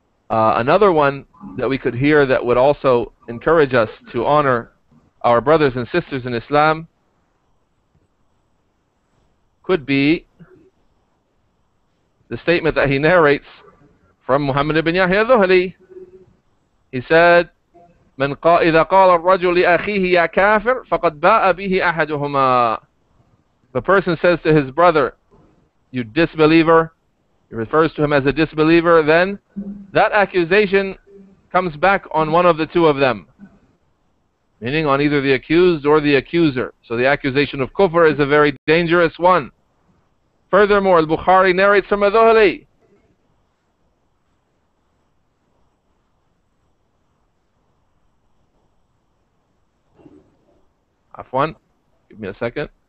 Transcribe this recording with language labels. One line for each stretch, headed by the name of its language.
English: Another one that we could hear that would also encourage us to honor our brothers and sisters in Islam could be the statement that he narrates from Muhammad ibn Yahya al-Dhuhli. He said,
Arabic: من قائد قال الرجل لأخيه يا كافر فقد باء به أحدهما.
English: The person says to his brother, you disbeliever, he refers to him as a disbeliever, then that accusation comes back on one of the two of them, meaning on either the accused or the accuser. So the accusation of kufr is a very dangerous one. Furthermore, al-Bukhari narrates from al-Dhuhli, Afwan, give me a second.